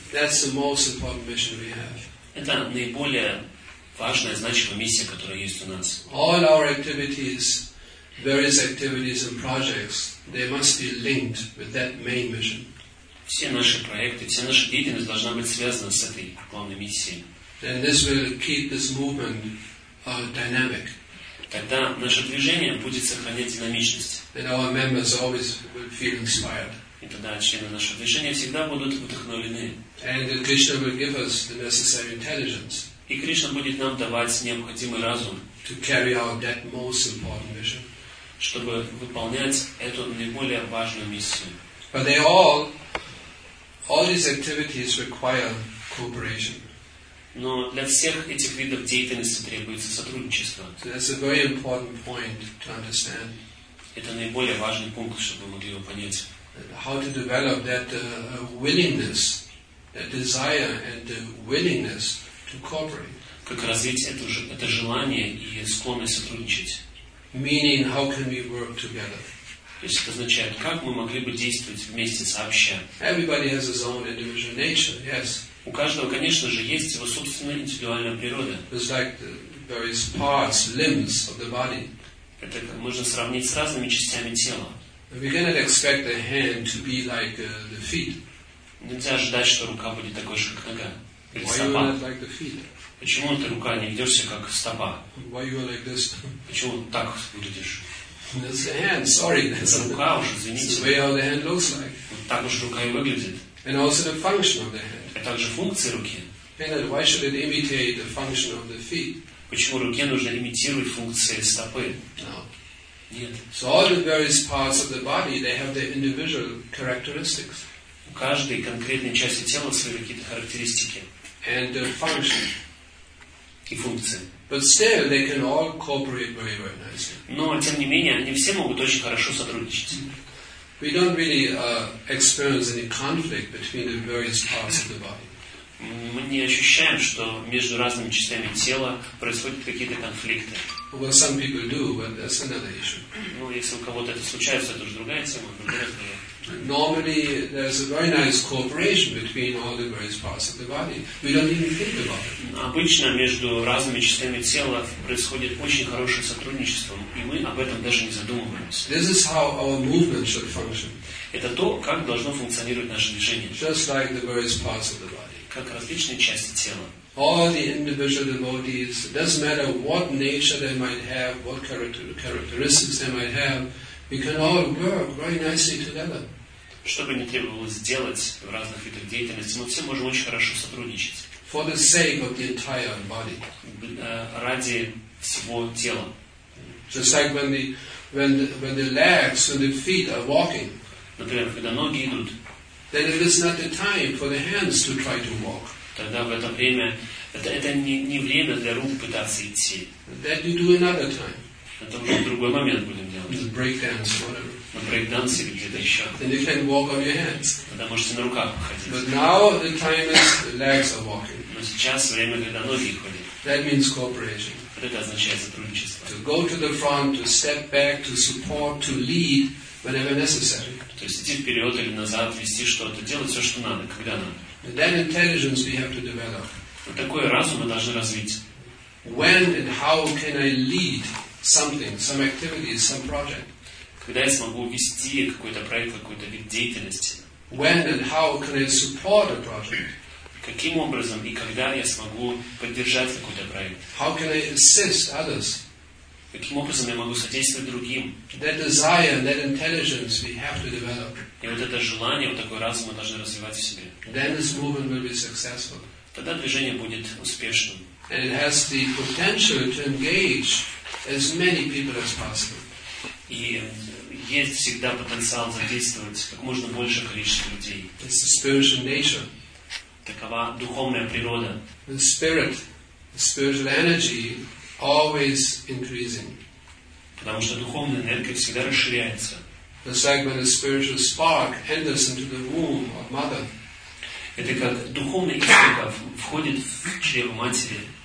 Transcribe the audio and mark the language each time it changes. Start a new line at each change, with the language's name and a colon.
English: That's the most important mission we have.
Russian: Это наиболее важная, значимая миссия, которая есть у нас.
English: All our activities, various activities and projects, they must be linked with that main mission.
Russian: Все наши проекты, вся наша деятельность должна быть связана с этой главной миссией.
English: Then this will keep this movement dynamic.
Russian: Тогда наше движение будет сохранять динамичность.
English: And our members always will feel inspired.
Russian: И тогда члены нашего движения всегда будут вдохновлены.
English: And Krishna will give us the necessary intelligence.
Russian: И Кришна будет нам давать необходимый разум,
English: to carry out that most important mission.
Russian: Чтобы выполнять эту наиболее важную миссию.
English: But they all these activities require cooperation.
Russian: Но для всех этих видов деятельности требуется сотрудничество.
English: So that's a very important point to understand.
Russian: Это наиболее важный пункт, чтобы мы могли его понять.
English: How to develop that willingness, that desire, and the willingness to cooperate.
Russian: Как развить это желание и склонность сотрудничать.
English: Meaning, how can we work together?
Russian: То есть это означает, как мы могли бы действовать вместе сообща.
English: Everybody has his own individual nature. Yes.
Russian: У каждого, конечно же, есть его собственная индивидуальная природа.
English: It's like the various parts, limbs of the body.
Russian: Это можно сравнить с разными частями тела.
English: We cannot expect the hand to be like the feet.
Russian: Нельзя ожидать, что рука будет такой же, как нога.
English: Why you are like the feet?
Russian: Почему эта рука не ведёшься как стопа?
English: Why you are like this?
Russian: Почему так выглядишь?
English: That's the hand. Sorry.
Russian: Это рука уже, извините.
English: The way how the hand looks like.
Russian: Вот так уж рука и выглядит.
English: And also the function of the hand.
Russian: Это также функция руки.
English: And why should it imitate the function of the feet?
Russian: Почему руке нужно имитировать функции стопы?
English: No.
Russian: Нет.
English: So all the various parts of the body, they have their individual characteristics.
Russian: У каждой конкретной части тела свои какие-то характеристики.
English: And their function.
Russian: И функции.
English: But still, they can all cooperate very, very nicely.
Russian: Но тем не менее, они все могут очень хорошо сотрудничать.
English: We don't really experience any conflict between the various parts of the body.
Russian: Мы не ощущаем, что между разными частями тела происходят какие-то конфликты.
English: Well, some people do, but that's another issue.
Russian: Ну, если у кого-то это случается, это уже другая тема, другая.
English: Normally, there's a very nice cooperation between all the various parts of the body. We don't even think about it.
Russian: Обычно между разными частями тела происходит очень хорошее сотрудничество, и мы об этом даже не задумываемся.
English: This is how our movement should function.
Russian: Это то, как должно функционировать наше движение.
English: Just like the various parts of the body.
Russian: Как различные части тела.
English: All the individual devotees, it doesn't matter what nature they might have, what characteristics they might have, we can all work very nicely together.
Russian: Что бы ни требовалось делать в разных видах деятельности, мы все можем очень хорошо сотрудничать.
English: For the sake of the entire body.
Russian: Ради всего тела.
English: Just like when the legs, when the feet are walking.
Russian: Например, когда ноги идут.
English: Then it is not the time for the hands to try to walk.
Russian: Тогда в это время это не время для рук пытаться идти.
English: That you do another time.
Russian: Это уже в другой момент будем делать.
English: The breakdance, whatever.
Russian: На брейкданс или где-то еще.
English: Then you can walk on your hands.
Russian: Тогда можете на руках ходить.
English: But now the time is the legs are walking.
Russian: Но сейчас время, когда ноги ходят.
English: That means cooperation.
Russian: Это означает сотрудничество.
English: To go to the front, to step back, to support, to lead whenever necessary.
Russian: То есть идти вперед или назад, вести что-то, делать все, что надо, когда надо.
English: And that intelligence we have to develop.
Russian: Вот такой разум мы должны развить.
English: When and how can I lead something, some activity, some project?
Russian: Когда я смогу вести какой-то проект, какой-то вид деятельности?
English: When and how can I support a project?
Russian: Каким образом и когда я смогу поддержать какой-то проект?
English: How can I assist others?
Russian: Каким образом я могу содействовать другим?
English: That desire, that intelligence we have to develop.
Russian: И вот это желание, вот такой разум мы должны развивать в себе.
English: Then this movement will be successful.
Russian: Тогда движение будет успешным.
English: And it has the potential to engage as many people as possible.
Russian: И есть всегда потенциал задействовать как можно большее количество людей.
English: It's the spiritual nature.
Russian: Такова духовная природа.
English: The spirit, the spiritual energy, always increasing.
Russian: Потому что духовная энергия всегда расширяется.
English: It's like when a spiritual spark enters into the womb of mother.
Russian: Это как духовный искрик входит в чрево матери.